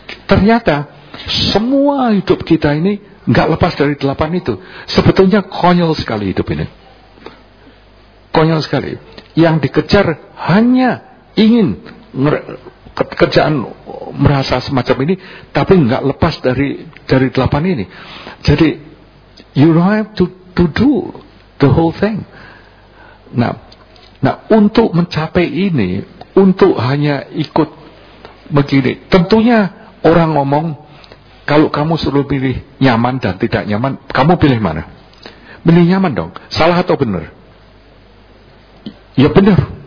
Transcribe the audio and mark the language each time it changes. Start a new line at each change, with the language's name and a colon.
Indonesian: Ternyata semua hidup kita ini gak lepas dari 8 itu. Sebetulnya konyol sekali hidup ini. konyol sekali. Yang dikejar hanya ingin kerjaan merasa semacam ini, tapi enggak lepas dari delapan ini. Jadi
English: you don't have to do the whole thing.
Indonesian: Nah, untuk mencapai ini, untuk hanya ikut begini, tentunya orang ngomong, kalau kamu suruh pilih nyaman dan tidak nyaman, kamu pilih mana? Pilih nyaman dong. Salah atau benar? Ya benar.